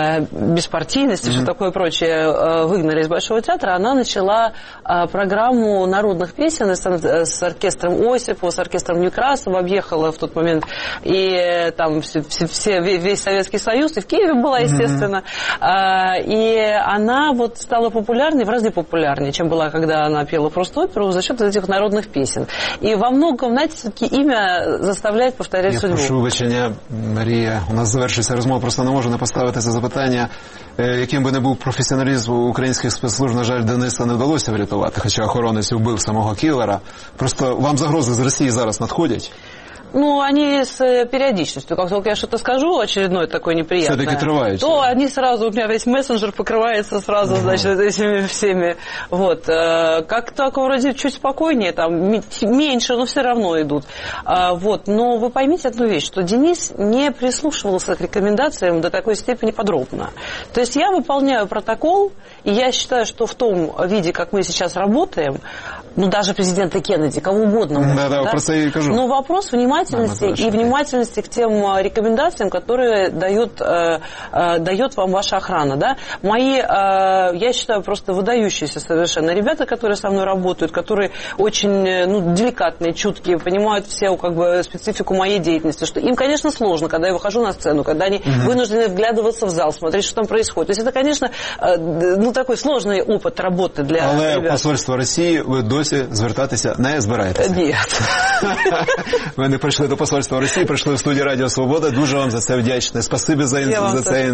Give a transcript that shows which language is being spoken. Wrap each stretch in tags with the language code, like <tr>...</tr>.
<ru>беспартийность и все такое прочее выгнали из Большого театра, она начала программу народных песен с оркестром Осипова, с оркестром Некрасова, объехала в тот момент и там весь Советский Союз, и в Киеве была, естественно. И она вот стала популярной, в разы популярнее, чем была, когда она пела просто оперу, за счет этих народных песен. И во многом, знаете, все-таки имя заставляет повторять я судьбу.</ru> <uk>Я прошу вибачення, Марія, у нас завершується розмова, просто не можу не поставити це запитання. Яким би не був професіоналізм українських спецслужб, на жаль, Дениса не вдалося врятувати, хоча охоронець вбив самого кілера. Просто вам загрози з Росії зараз надходять?</uk> <ru>Ну, они с периодичностью. Как только я что-то скажу, очередное такое неприятное. Все-таки трываются. То они сразу, у меня весь мессенджер покрывается сразу, значит, этими всеми. Вот. Как так, вроде, чуть спокойнее, там, меньше, но все равно идут. Вот. Но вы поймите одну вещь, что Денис не прислушивался к рекомендациям до такой степени подробно. То есть я выполняю протокол, и я считаю, что в том виде, как мы сейчас работаем, ну, даже президента Кеннеди, кого угодно. Да-да, да? Просто я и кажу. Но вопрос внимательности и внимательности к тем рекомендациям, которые дает вам ваша охрана. Да? Мои, я считаю, просто выдающиеся совершенно ребята, которые со мной работают, которые очень деликатные, чуткие, понимают всю как бы, специфику моей деятельности. Что им, конечно, сложно, когда я выхожу на сцену, когда они вынуждены вглядываться в зал, смотреть, что там происходит. То есть это, конечно, такой сложный опыт работы для ребят. Но посольство России, вы</ru> <uk>досі звертатися не збираєтеся? Ні. Ви не прийшли до посольства Росії, прийшли в студію Радіо Свобода. Дуже вам за це вдячний. Спасибі за це.</uk>